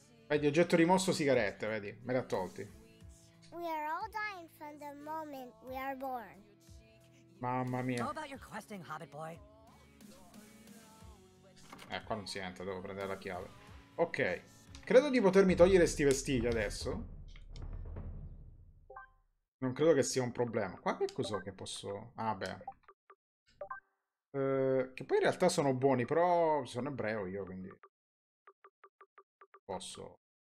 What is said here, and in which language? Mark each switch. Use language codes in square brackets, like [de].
[it] Vedi, oggetto rimosso sigarette, vedi, me l'ha tolti. [en] We are all dying from the moment we are born. [it] Mamma mia. [en] How about your questing, hobbit boy? [it] Qua non si entra, devo prendere la chiave. Ok, credo di potermi togliere sti vestiti adesso. Non credo che sia un problema. Qua che cos'è che posso... Ah, beh. Che poi in realtà sono buoni, però sono ebreo io, quindi... Posso...